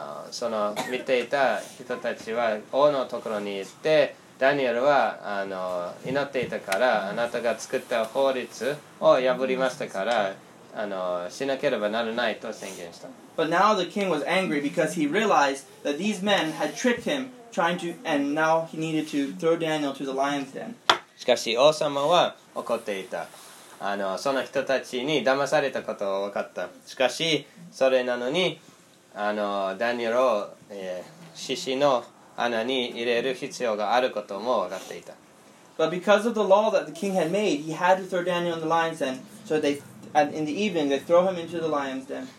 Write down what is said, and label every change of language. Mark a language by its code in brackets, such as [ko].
[ja] その見ていた人たちは王のところに行って、ダニエルは祈っていたから、あなたが作った法律を破りましたから、しなければならないと宣言した。 [en] But now the king was angry because he realized that these men had tricked him, trying to, and now he needed to throw Daniel to the lion's den. [ja] しかし王様は怒っていた。その人たちに騙されたことを分かった。しかしそれなのに、ダニエルを、獅子の穴に入れる必要があることも分かっていた。 [en] But because of the law that the king had made, he had to throw Daniel in the lion's den. So they, and in the evening, they throw him into the lion's den.